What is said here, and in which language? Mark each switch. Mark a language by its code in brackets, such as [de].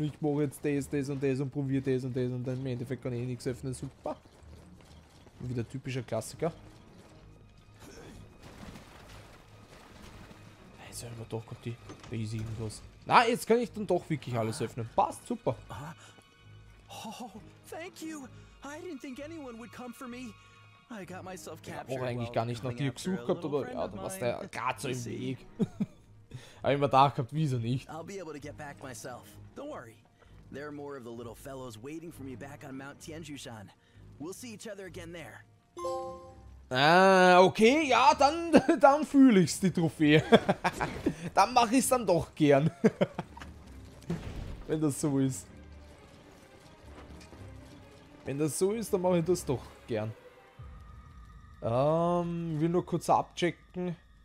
[de] Ich mache jetzt das, das und das und probiere das und das und dann im Endeffekt kann ich nichts öffnen. Super. Wieder typischer Klassiker. Jetzt haben wir doch gehabt, die riesigen irgendwas. Na, jetzt kann ich dann doch wirklich alles öffnen. Passt, super. [en] Oh, thank you. I didn't think anyone would come for me. I got myself captured. [de] Ich habe eigentlich gar nicht nach dir gesucht gehabt, aber ja, dann warst du ja gar so im Weg. Habe ich mir gedacht gehabt, wieso nicht? [en] I'll be able to get back myself. Don't worry. There are more of the little fellows waiting for me back on Mount Tianjushan. We'll see each other again there. [de] Okay, ja, dann fühle ich's, die Trophäe. Dann mache ich's dann doch gern. Wenn das so ist. Wenn das so ist, dann mache ich das doch gern. Will nur kurz abchecken.